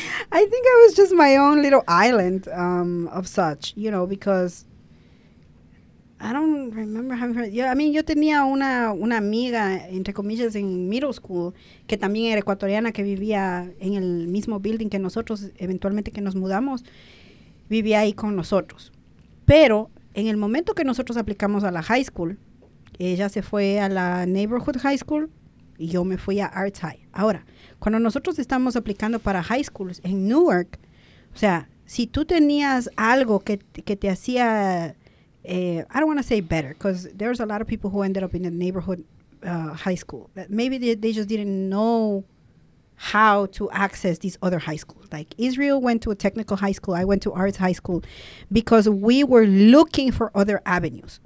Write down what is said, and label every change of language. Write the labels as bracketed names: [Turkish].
[English] I think I was just my own little island of such, you know, because I don't remember having friends. [Spanish] Yeah, I mean, yo tenía una amiga, entre comillas, en [English] middle school, [Spanish] que también era ecuatoriana, que vivía en el mismo building que nosotros, eventualmente que nos mudamos, vivía ahí con nosotros. Pero en el momento que nosotros aplicamos a la high school, ella se fue a la [English] neighborhood high school [Spanish] y yo me fui a Arts High. Ahora, cuando nosotros estamos aplicando para high schools en Newark, o sea, si tú tenías algo que te hacía... [English] I don't want to say better, because there's a lot of people who ended up in the neighborhood high school. Maybe they just didn't know how to access these other high schools. Like Israel went to a technical high school. I went to arts high school because we were looking for other avenues.